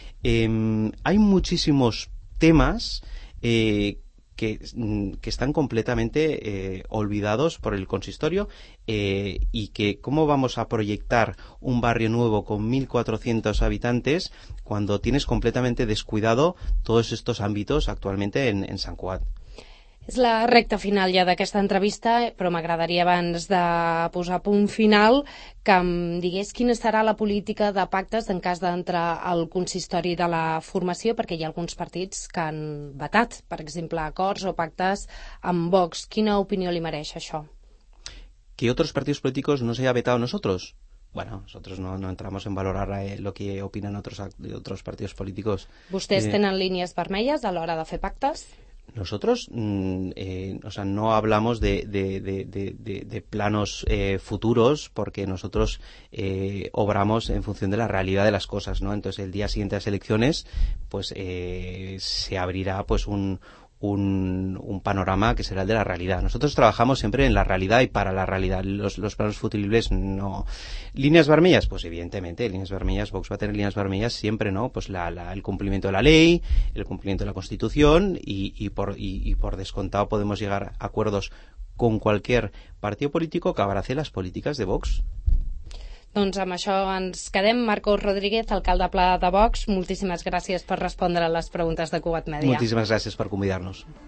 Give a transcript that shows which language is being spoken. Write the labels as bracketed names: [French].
[Spanish] Hay muchísimos temas que están completamente olvidados por el consistorio y que cómo vamos a proyectar un barrio nuevo con 1.400 habitantes cuando tienes completamente descuidado todos estos ámbitos actualmente en San Cuat. [Catalan] És la recta final ja d'aquesta entrevista, però m'agradaria abans de posar punt final que em digués quina serà la política de pactes en cas d'entrar al consistori de la formació, perquè hi ha alguns partits que han vetat, per exemple, acords o pactes amb Vox. Quina opinió li mereix això? Que altres partits polítics no s'hagin vetat a nosaltres? [Spanish] Bueno, nosotros no entramos en valorar lo que opinan otros partidos políticos. [Catalan] ¿Vostès tenen línies vermelles a l'hora de fer pactes? [Spanish] Nosotros no hablamos de planos futuros porque nosotros obramos en función de la realidad de las cosas, ¿no? Entonces el día siguiente a las elecciones pues se abrirá pues un panorama que será el de la realidad. Nosotros trabajamos siempre en la realidad y para la realidad. Los planos futuribles no. ¿Líneas vermellas? Pues evidentemente, líneas vermellas, Vox va a tener líneas vermellas siempre, ¿no? Pues el cumplimiento de la ley, el cumplimiento de la Constitución y por descontado podemos llegar a acuerdos con cualquier partido político que abrace las políticas de Vox. [Catalan] Doncs amb això ens quedem. Marcos Rodríguez, alcalde Pla de Vox, moltíssimes gràcies per respondre a les preguntes de Cugat Mèdia. Moltíssimes gràcies per convidar-nos.